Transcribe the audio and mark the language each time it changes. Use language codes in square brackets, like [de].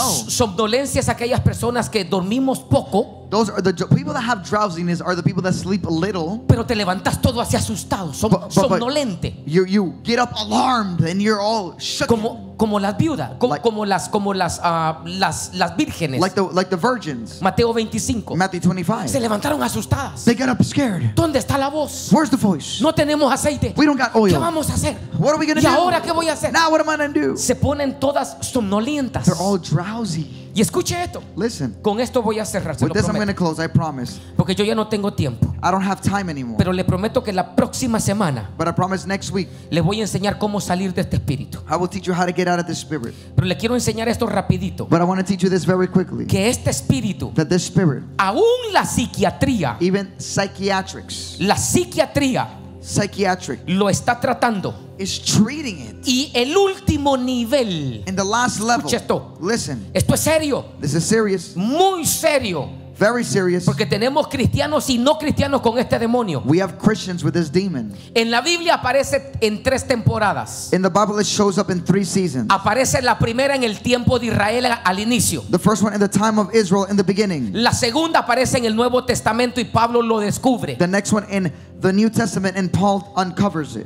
[es] Somnolencia es aquellas personas que dormimos poco. [en] Those are the people that have drowsiness are the people that sleep a little. [es] Pero te levantas todo así asustado, somnolente. [en] You get up alarmed and you're all shook. [es] Como las viudas, como las vírgenes. [en] Like the virgins. [es] Mateo 25. [en] Matthew 25. [es] Se levantaron asustadas. [en] They got up scared. [es] ¿Dónde está la voz? [en] Where's the voice? [es] No tenemos aceite. [en] We don't got oil. [es] ¿Qué vamos a hacer? [en] What are we gonna [es] ¿Y [en] do? [es] ¿Y ahora qué voy a hacer? [en] Now what am I gonna do? [es] Se ponen todas somnolientas. [en] They're all drowsy. [es] Y escuche esto. [en] Listen. [es] Con esto voy a cerrar. [en] With this I'm going to close, I promise. [es] Porque yo ya no tengo tiempo. [en] I don't have time anymore. [es] Pero le prometo que la próxima semana. [en] But I promise next week. [es] Le voy a enseñar cómo salir de este espíritu. [en] I will teach you how to get out of this spirit. [es] Pero le quiero enseñar esto rapidito. [en] But I want to teach you this very quickly. [es] Que este espíritu. [en] That this spirit. [es] Aún la psiquiatría. [en] Even psychiatrics. [es] La psiquiatría. [en] Psychiatric. [es] Lo está tratando. [en] Is treating it. [es] Y el último nivel. [en] And the last level. [es] Escuche esto. [en] Listen. [es] Esto es serio. [en] This is serious. [es] Muy serio. [en] Very serious. [es] Porque tenemos cristianos y no cristianos con este demonio. [en] We have Christians with this demon. [es] En la Biblia aparece en tres temporadas. [en] In the Bible it shows up in three seasons. [es] Aparece la primera en el tiempo de Israel al inicio. [en] The first one in the time of Israel in the beginning. [es] La segunda aparece en el Nuevo Testamento y Pablo lo descubre. [en] The next one in the New Testament and Paul uncovers it.